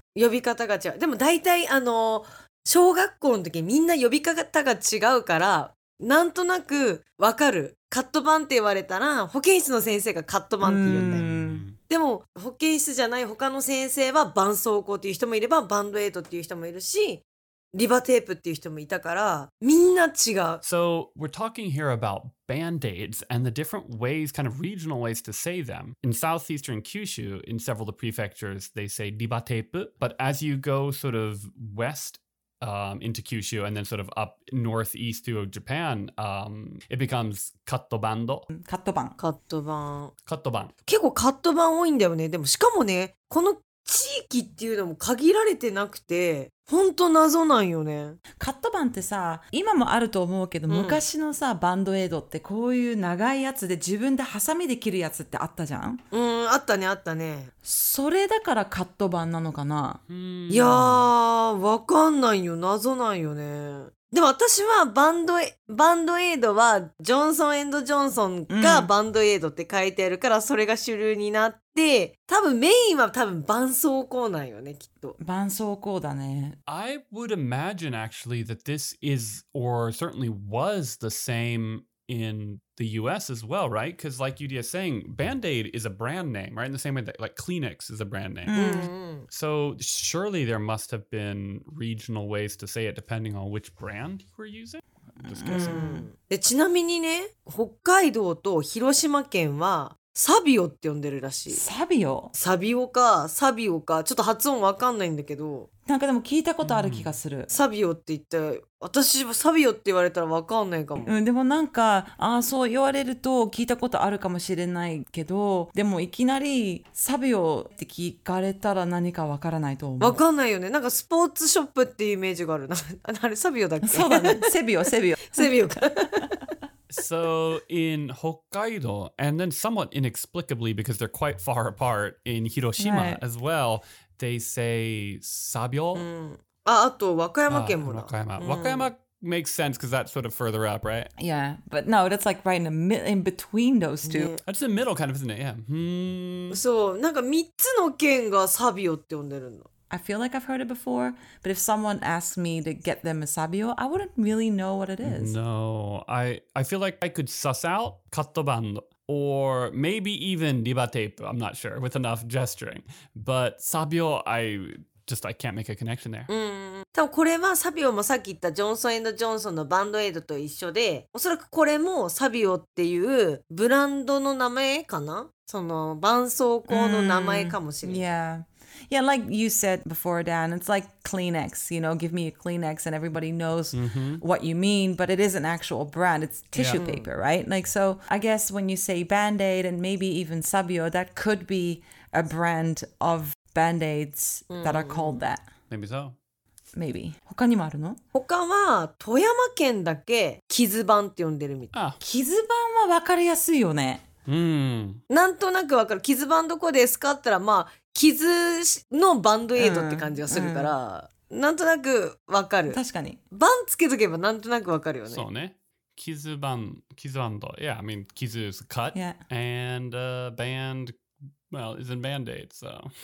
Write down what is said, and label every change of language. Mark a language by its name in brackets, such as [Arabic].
[Japanese] 呼び方が違う。でも大体小学校の時みんな呼び方が違うから。なんとなくわかる。カット版って言われたら保健室の先生がカット版って言うんだよ。でも保健室じゃない他の先生は絆創膏っていう人もいればバンドエイドっていう人もいるしリバテープっていう人もいたからみんな違う。 [English] So we're talking here about band-aids and the different ways, kind of regional ways to say them. In southeastern Kyushu, in several of the prefectures, they say リバテープ. But as you go sort of westinto Kyushu and then sort of up northeast through Japan, it becomes kattobando. [Japanese] Kattoban. Kattoban. Kattoban. 結構 kattoban 多いんだよね。でもしかもね、この地域っていうのも限られてなくて、本当謎なんよね。 kattoban ってさ、今もあると思うけど、昔のさ、バンドエイドってこういう長いやつで自分でハサミで切るやつってあったじゃん？あったね、あったね。それだからカット版なのかな？いやー、わかんないよ。謎なんよね。でも私はバンドエイドはジョンソン&ジョンソンがバンドエイドって書いてあるからそれが主流になって、多分メインは多分絆創膏なんよね、きっと。絆創膏だね。 [English] I would imagine actually that this is or certainly was the same in the US as well, right? Because like Yudi is saying, Band-Aid is a brand name, right? In the same way that like Kleenex is a brand name. Mm-hmm. So surely there must have been regional ways to say it depending on which brand you were using? [Japanese] でちなみにね、北海道と広島県はサビオって呼んでるらしい。サビオ？サビオかサビオかちょっと発音わかんないんだけど、なんかでも聞いたことある気がする。ん、サビオって言って、私はサビオって言われたらわかんないかも。うん、でもなんかあそう言われると聞いたことあるかもしれないけど、でもいきなりサビオって聞かれたら何かわからないと思う。わかんないよね。なんかスポーツショップっていうイメージがあるな。あれサビオだっけ？そうだね。セビオ、セビオ。セビオか。 [English] So in Hokkaido, and then somewhat inexplicably because they're quite far apart in Hiroshima right. as well, they say Sabyo. [Japanese] Ah, あと和歌山県もな。 [English] Wakayama. Wakayama makes sense because that's sort of further up, right? Yeah, but no, that's like right in between those two. Yeah. That's the middle kind of, isn't it? Yeah. [Japanese] So, なんか3つの県がサビオって呼んでるの。 [English] I feel like I've heard it before, but if someone asks me to get them a sabio, I wouldn't really know what it is. No, I feel like I could suss out katoban or maybe even ribatape, I'm not sure, with enough gesturing. But sabio, I can't make a connection there. [Japanese] でもこれはサビオもさっき言ったジョンソン&ジョンソンのバンドエイドと一緒で、おそらくこれもサビオっていうブランドの名前かな？その絆創膏の名前かもしれない。 [English] Yeah, like you said before, Dan, it's like Kleenex, you know, give me a Kleenex and everybody knows mm-hmm. what you mean, but it is an actual brand. It's tissue yeah. paper, right? Like, so I guess when you say Band-Aid and maybe even Sabio, that could be a brand of Band-Aids that are called that. Maybe so. Maybe. [Japanese] 他にもあるの？他は富山県だけキズバンって呼んでるみたい。キズバンは分かりやすいよね。なんとなく分かる。キズバンどこですかったら、まあ、傷のバンドエイドって感じがするから、うん、なんとなくわかる。確かに。バンつけとけばなんとなくわかるよね。そうね。傷バン、傷バンド。 [English] Yeah, I mean, 傷 is cut. Yeah. And band, well, is in Band-Aid, so.